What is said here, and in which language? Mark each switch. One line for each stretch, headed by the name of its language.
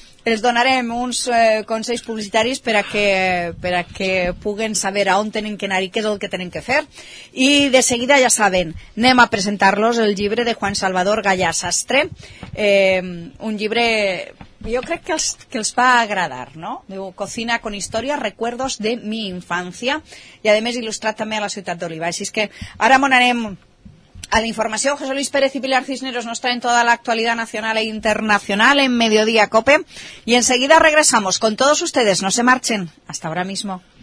Catalan: Els donarem uns consells publicitaris per a que puguen saber a on tenen que anar i què és el que tenen que fer. I de seguida ja saben, anem a presentar-los el llibre de Juan Salvador Gallà Sastre. Un llibre, jo crec que els va agradar, no?
Spanish: Diu, cocina con historia, recuerdos de mi infancia.
Catalan: I a més il·lustrat també a la ciutat d'Oliva. Així que ara m'anarem a la informació.
Spanish: José Luis Pérez y Pilar Cisneros nos traen toda la actualidad nacional e internacional en Mediodía COPE. Y enseguida regresamos con todos ustedes. No se marchen. Hasta ahora mismo.